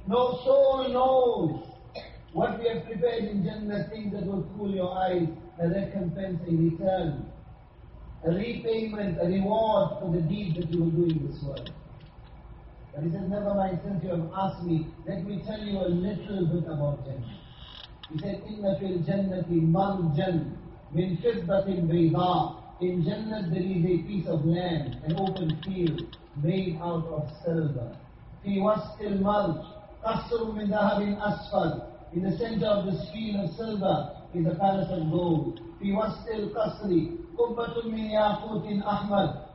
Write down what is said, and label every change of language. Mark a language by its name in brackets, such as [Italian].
[English] No soul knows what we have prepared in Jannah, things that will cool your eyes. A recompense, a return, a repayment, a reward for the deed that you will do in this world. But he says, never mind, since you have asked me, let me tell you a little bit about Jannah. He said, [Arabic] إِنَّ فِي الْجَنَّةِ مَرْجًا مِنْ فِضَّةٍ بَيْضًا. [English] In Jannah there is a piece of land, an open field, made out of silver. [Arabic] فِي وَسْتِ الْمَرْجِ قَصْرٌ مِنْ ذَهَبٍ أَسْفَلٍ. [English] In the center of this field of silver is a palace of gold. [Arabic] Fi wastil qasri qubbatun min yaqutin ahmar.